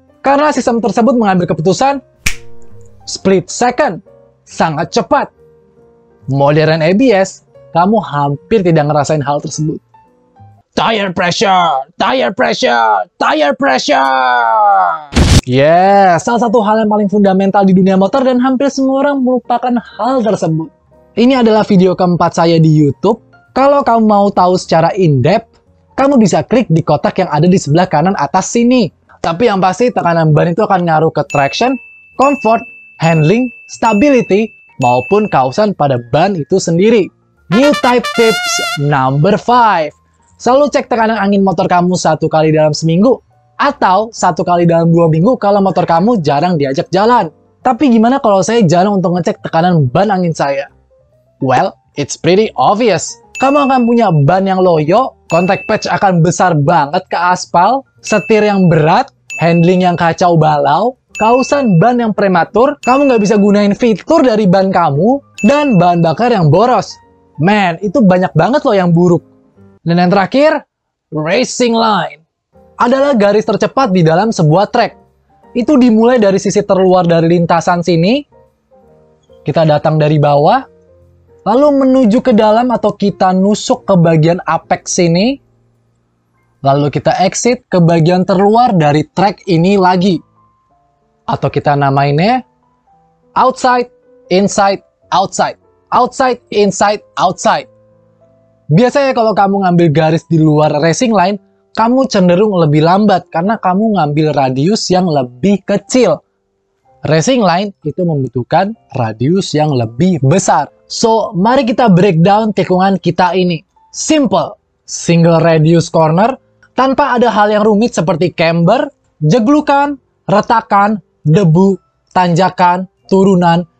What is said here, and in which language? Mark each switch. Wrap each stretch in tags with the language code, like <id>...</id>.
<id>Karena sistem tersebut mengambil keputusan split second, sangat cepat. Modern ABS, kamu hampir tidak ngerasain hal tersebut.</id> <en>Tire pressure, tire pressure, tire pressure.</en> <id>Yeah, salah satu hal yang paling fundamental di dunia motor dan hampir semua orang melupakan hal tersebut. Ini adalah video keempat saya di YouTube. Kalau kamu mau tahu secara in-depth, kamu bisa klik di kotak yang ada di sebelah kanan atas sini. Tapi yang pasti, tekanan ban itu akan ngaruh ke traction, comfort, handling, stability, maupun kausan pada ban itu sendiri.</id> <en>New type tips number 5.</en> <id>Selalu cek tekanan angin motor kamu satu kali dalam seminggu. Atau satu kali dalam dua minggu kalau motor kamu jarang diajak jalan. Tapi gimana kalau saya jarang untuk ngecek tekanan ban angin saya?</id> <en>Well, it's pretty obvious.</en> <id>Kamu akan punya ban yang loyo, contact patch akan besar banget ke aspal, setir yang berat, handling yang kacau balau, kausan ban yang prematur, kamu nggak bisa gunain fitur dari ban kamu, dan bahan bakar yang boros. Man, itu banyak banget loh yang buruk. Dan yang terakhir, racing line. Adalah garis tercepat di dalam sebuah trek. Itu dimulai dari sisi terluar dari lintasan sini. Kita datang dari bawah. Lalu menuju ke dalam atau kita nusuk ke bagian apex sini. Lalu kita exit ke bagian terluar dari trek ini lagi. Atau kita namainnya outside, inside, outside.</id> <en>Outside, inside, outside.</en> <id>Biasanya kalau kamu ngambil garis di luar racing line, kamu cenderung lebih lambat karena kamu ngambil radius yang lebih kecil. Racing line itu membutuhkan radius yang lebih besar. So, mari kita breakdown tikungan kita ini.</id> <en>Simple, single radius corner,</en> <id>tanpa ada hal yang rumit seperti camber, jeglukan, retakan, debu, tanjakan, turunan.</id>